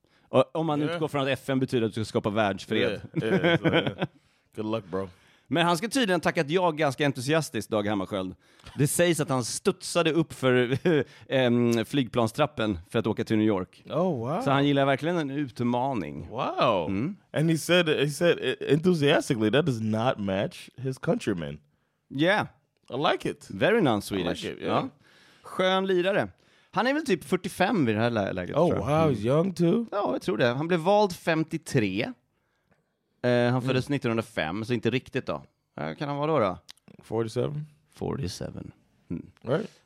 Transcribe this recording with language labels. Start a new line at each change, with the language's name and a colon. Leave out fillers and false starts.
Swedish: Och om man utgår från att FN betyder att du ska skapa världsfred.
English: Good luck, bro.
Swedish: Men han ska tydligen tacka att jag ganska entusiastiskt, Dag Hammarskjöld. Det sägs att han studsade upp för flygplanstrappen för att åka till New York.
English: Oh, wow.
Swedish: Så han gillar verkligen en utmaning.
English: Wow. Mm. And he said enthusiastically, that does not match his countrymen. Yeah. I like it. Very non-Swedish. I like it, yeah.
Swedish: Skön lirare. Han är väl typ 45 vid det här läget.
English: Oh, wow, he's young too.
Swedish: Ja, jag tror det. Han blev vald 53. Han föddes 1905, så inte riktigt då. Kan han vara då?
English: 47. Right?